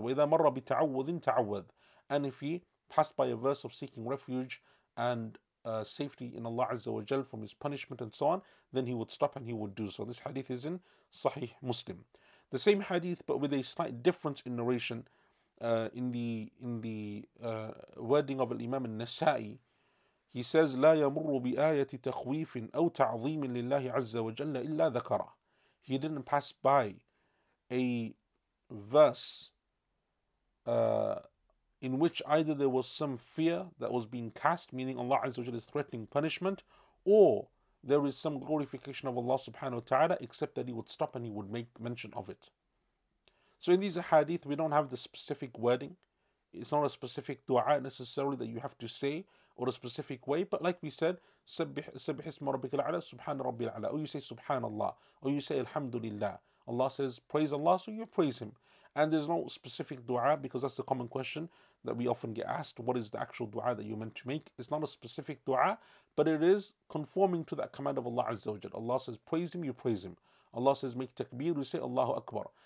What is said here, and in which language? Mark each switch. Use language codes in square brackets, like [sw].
[ar] وَإِذَا مَرَّ بِتَعَوَّذٍ تَعَوَّذٍ. [en] And if he passed by a verse of seeking refuge and safety in Allah Azza wa Jal from his punishment and so on, then he would stop and he would do so. This hadith is in Sahih Muslim. The same hadith, but with a slight difference in narration. In the wording of Imam al-Nasa'i, he says, [ar] لا يمر بآية تخويف أو تعظيم لله عز وجل إلا ذكره. [en] He didn't pass by a verse in which either there was some fear that was being cast, meaning Allah عز وجل is threatening punishment, or there is some glorification of Allah subhanahu wa ta'ala, except that he would stop and he would make mention of it. So in these hadith, we don't have the specific wording. It's not a specific dua necessarily that you have to say or a specific way. But like we said, [ar] سبح اسم ربك العلى سبحان ربي العلى. [en] Or you say [ar] سبحان الله. [en] Or you say Alhamdulillah. Allah says praise Allah, so you praise Him. And there's no specific dua, because that's the common question that we often get asked. What is the actual dua that you're meant to make? It's not a specific dua, but it is conforming to that command of Allah Azza wa Jal. Allah says praise Him, you praise Him. Allah says make takbir, we say Allahu Akbar.